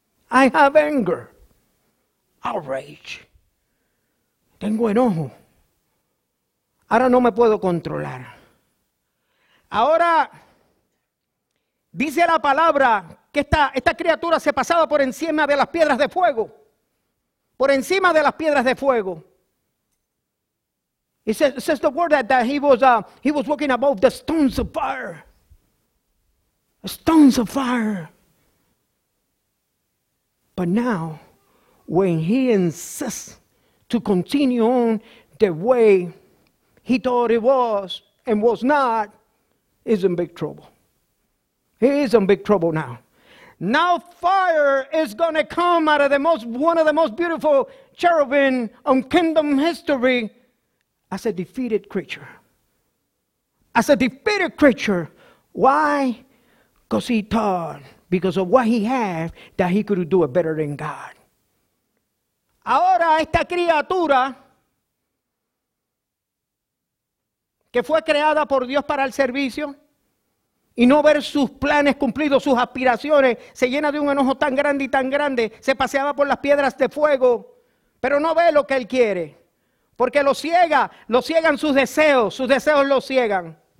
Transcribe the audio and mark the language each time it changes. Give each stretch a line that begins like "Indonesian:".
English: I have anger. Outrage.
Spanish: Tengo enojo. Ahora no me puedo controlar. Ahora dice la palabra que esta criatura se pasaba por encima de las piedras de fuego. Por encima de las piedras de fuego.
English: It says the word that he was walking above the stones of fire. Stones of fire. But now, when he insists to continue on the way he thought it was and was not, he's in big trouble. He is in big trouble now. Now fire is going to come out of one of the most beautiful cherubim on kingdom history as a defeated creature. As a defeated creature. Why? Because he thought, because of what he had, that he could do it better than God.
Spanish: Ahora esta criatura que fue creada por Dios para el servicio y no ver sus planes cumplidos, sus aspiraciones, se llena de un enojo tan grande y tan grande, se paseaba por las piedras de fuego, pero no ve lo que él quiere, porque lo ciegan sus deseos lo ciegan.